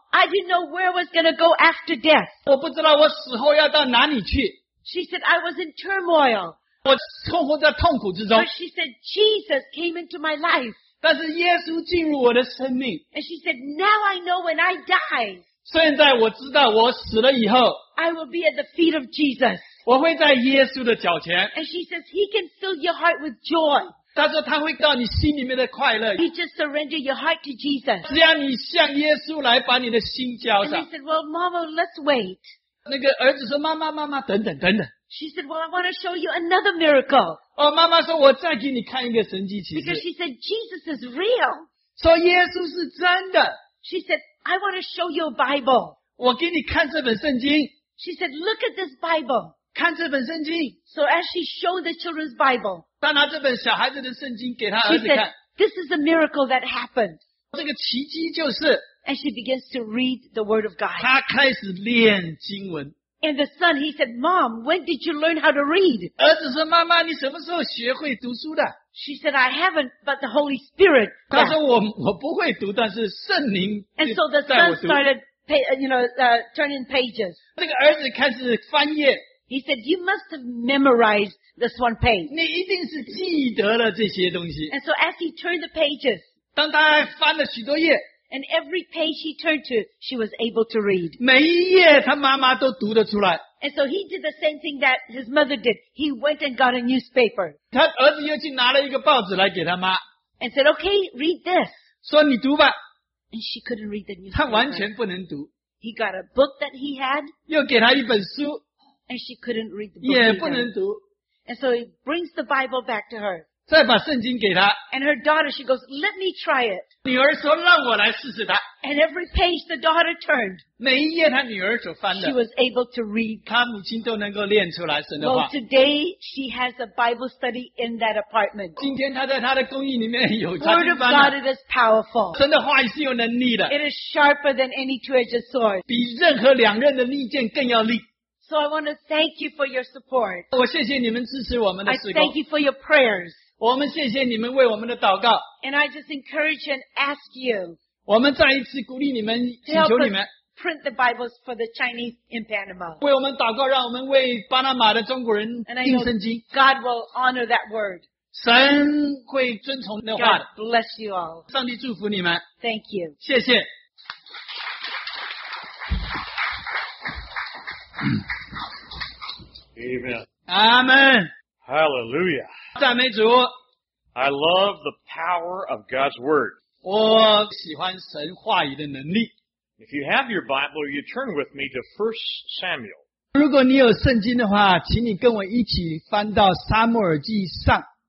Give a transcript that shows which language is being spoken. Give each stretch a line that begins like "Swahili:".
English: I didn't know where I was going to go after death.
Chinese: 我不知道我死后要到哪里去,
English: She said, I was in turmoil.
Chinese: 我生活在痛苦之中。
English: But she said, Jesus came into my life.
Chinese: 但是耶稣进入我的生命。
English: And she said, now I know when I die,
Chinese: 现在我知道我死了以后,
English: I will be at the feet of Jesus.
Chinese: 我会在耶稣的脚前。
English: And she says, he can fill your heart with joy.
Chinese: 他说他会到你心里面的快乐。
English: You just surrender your heart to Jesus.
Chinese: 只要你向耶稣来把你的心交上。
English: And he said, well, Mama, let's wait.
Chinese: 那个儿子说妈妈妈妈等等等等。
English: She said, well, I want to show you another miracle.
Chinese: 哦，妈妈说，我再给你看一个神迹奇事。
English: Because she said, Jesus is real.
Chinese: 说耶稣是真的。
English: She said, I want to show you a Bible.
Chinese: 我给你看这本圣经。
English: She said, look at this Bible.
Chinese: 看这本圣经。
English: So as she showed the children's Bible,
Chinese: 当拿这本小孩子的圣经给他儿子看,
English: she said, this is a miracle that happened.
Chinese: 这个奇迹就是,
English: and she begins to read the Word of God.
Chinese: 她开始练经文。
English: And the son, he said, Mom, when did you learn how to read?
Chinese: 儿子说,妈妈,你什么时候学会读书的?
English: She said, I haven't, but the Holy Spirit.
Chinese: 他说,我不会读,但是圣灵带我读。
English: And so the son started, you know, turning pages.
Chinese: 那个儿子开始翻页。
English: He said, you must have memorized this one page.
Chinese: 你一定是记得了这些东西。
English: And so as he turned the pages,
Chinese: 当他翻了许多页,
English: and every page he turned to, she was able to read.
Chinese: 每一页他妈妈都读得出来。
English: And so he did the same thing that his mother did. He went and got a newspaper.
Chinese: 他儿子又去拿了一个报纸来给他妈。
English: And said, okay, read this.
Chinese: 说你读吧。
English: And she couldn't read the newspaper.
Chinese: 他完全不能读。
English: He got a book that he had.
Chinese: 又给他一本书。
English: And she couldn't read the book.
Chinese: 也不能读。
English: And so he brings the Bible back to her.
Chinese: 再把圣经给他。
English: And her daughter, she goes, let me try it.
Chinese: 女儿说让我来试试她。
English: And every page the daughter turned,
Chinese: 每一页她女儿所翻的,
English: she was able to read.
Chinese: 她母亲都能够练出来神的话。
English: Well, today she has a Bible study in that apartment.
Chinese: 今天她在她的公寓里面有她的班。
English: Word of God, it is powerful.
Chinese: 神的话也是有能力的。
English: It is sharper than any two-edged sword.
Chinese: 比任何两刃的利剑更要利。
English: So I want to thank you for your support.
Chinese: 我谢谢你们支持我们的事工。
English: I thank you for your prayers.
Chinese: 我们谢谢你们为我们的祷告。
English: And I just encourage and ask you,
Chinese: 我们再一次鼓励你们, 请求你们,
English: to help print the Bibles for the Chinese in Panama.
Chinese: 为我们祷告, 让我们为巴拿马的中国人,
English: and I know God will honor that word.
Chinese: 神会遵从那话的。
English: God bless you all.
Chinese: 上帝祝福你们。
English: Thank you.
Chinese: 谢谢。
English: Amen. Amen. Hallelujah.
Chinese: 赞美主。
English: I love the power of God's Word.
Chinese: 我喜欢神话语的能力。
English: If you have your Bible, you turn with me to 1 Samuel.
Chinese: 如果你有圣经的话, 请你跟我一起翻到撒母耳记上。